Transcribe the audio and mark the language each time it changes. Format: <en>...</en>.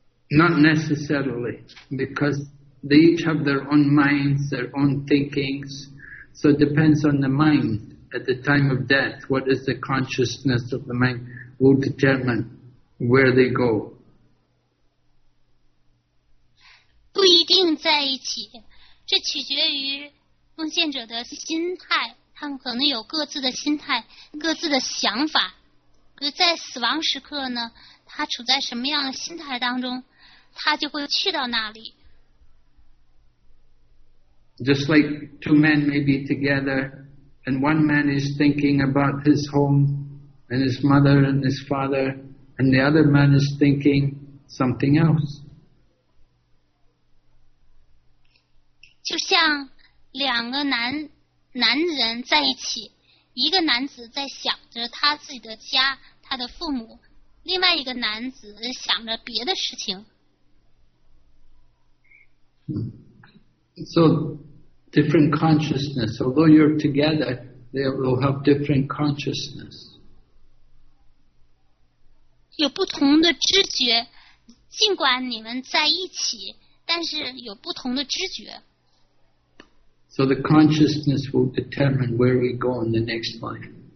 <en>Not necessarily, because they each have their own minds, their own thinkings, so it depends on the mind at the time of death. What is the consciousness of the mind will determine where they go.</en> <zh>不一定在一起，这取决于奉献者的心态。他们可能有各自的心态，各自的想法。在死亡时刻呢，他处在什么样的心态当中，他就会去到那里。</zh> <en>Just like two men may be together, and one man is thinking about his home, and his mother and his father, and the other man is thinking something else.</en> <zh>就像两个男人在一起，一个男子在想着他自己的家，他的父母，另外一个男子想着别的事情。</zh> <en>So, different consciousness. Although you're together, they will have different consciousness.</en> <zh>有不同的知觉，尽管你们在一起，但是有不同的知觉。</zh> <en>So the consciousness will determine where we go in the next life.</en>